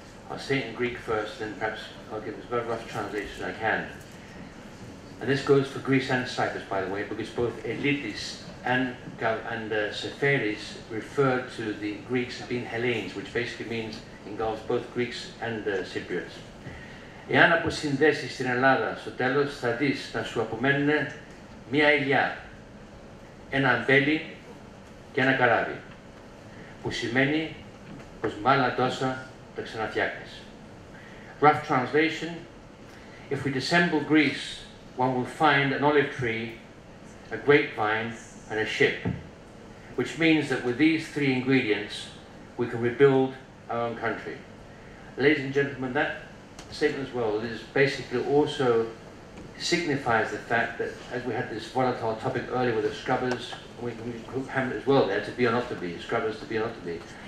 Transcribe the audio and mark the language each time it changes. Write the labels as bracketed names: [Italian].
[English] I'll say it in Greek first, then perhaps I'll give as well rough translation as I can. And this goes for Greece and Cyprus, by the way, because both Elitis and Seferis refer to the Greeks as being Hellenes, which basically means engulfs both Greeks and Cypriots. [Greek] Εάν αποσυνδέσεις στην Ελλάδα, στο τέλος θα δεις να σου απομένουν μία ηλιά, ένα αμπέλι και ένα καράβι, που σημαίνει πως μάλλον τόσα τα ξαναφτιάχνεις. [English] Rough translation, if we dissemble Greece, one will find an olive tree, a grapevine and a ship, which means that with these three ingredients, we can rebuild our own country. Ladies and gentlemen, that statement as well is basically also signifies the fact that as we had this volatile topic earlier with the scrubbers, we can group Hamlet as well there, to be or not to be, scrubbers to be or not to be.